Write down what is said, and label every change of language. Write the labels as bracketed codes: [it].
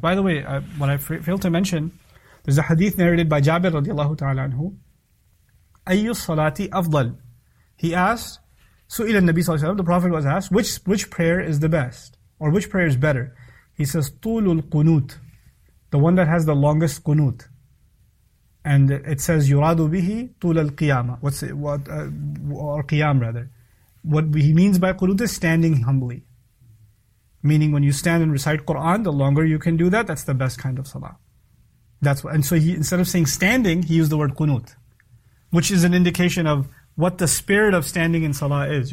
[en] By the way, what I failed to mention, there's a hadith narrated by Jabir radiallahu ta'ala anhu. [ar] Ayyu salati afdal. [en] He asked, [ar] سُئِلَ النَّبِي صلى الله عليه وسلم, [en] the Prophet was asked, which prayer is the best? Or which prayer is better? He says, [ar] طُولُ الْقُنُوتِ, [en] the one that has the longest qunut. And it says, [ar] يُرَادُ بِهِ طُولَ الْقِيَامَةِ. [en] What's it? Or qiyam rather. What he means by qunut is standing humbly. Meaning when you stand and recite Qur'an, the longer you can do that, that's the best kind of salah. That's what, and so he, instead of saying standing, he used the word qunut, which is an indication of what the spirit of standing in salah is.